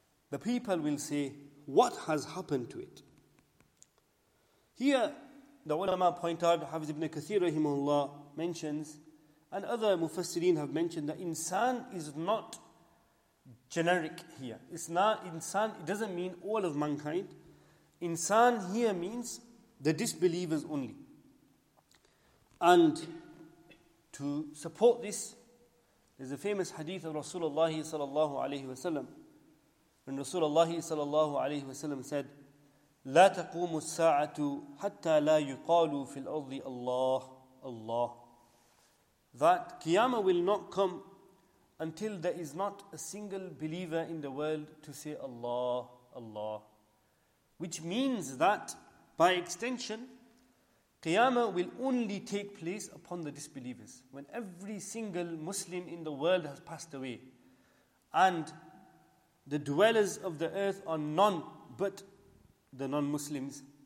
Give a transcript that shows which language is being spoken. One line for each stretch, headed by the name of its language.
English: The people will say, what has happened to it? Here, the ulama point out, Hafiz ibn Kathir rahimahullah mentions, and other mufassirin have mentioned, that insan is not generic here. It's not insan, it doesn't mean all of mankind. Insan here means the disbelievers only. And to support this, there's a famous hadith of Rasulullah sallallahu alayhi wa sallam. When Rasulullah sallallahu alayhi wa sallam said,
Arabic: لا تقوم الساعة حتى لا يقال في الأرض الله الله.
English: That Qiyamah will not come until there is not a single believer in the world to say Allah Allah. Which means that by extension, Qiyamah will only take place upon the disbelievers, when every single Muslim in the world has passed away, and the dwellers of the earth are none but the non-Muslims.